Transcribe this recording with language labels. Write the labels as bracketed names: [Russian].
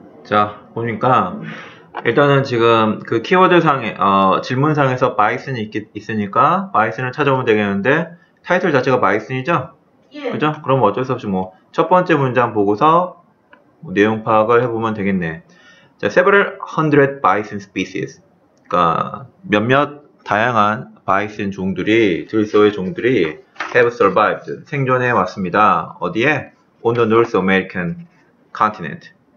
[Korean] 자, 보니까 일단은 지금 그 키워드 상에 질문 상에서 바이슨이 있으니까 바이슨을 찾아보면 되겠는데 타이틀 자체가 바이슨이죠? 예. 그죠? 그럼 어쩔 수 없이 뭐첫 번째 문장 보고서 내용 파악을 해보면 되겠네. [English] 자, several hundred bison species. [Korean] 그러니까 몇몇 다양한 바이슨 종들이 들소의 종들이 [English] have survived [Korean] 생존해 왔습니다. 어디에? [English] On the North American continent.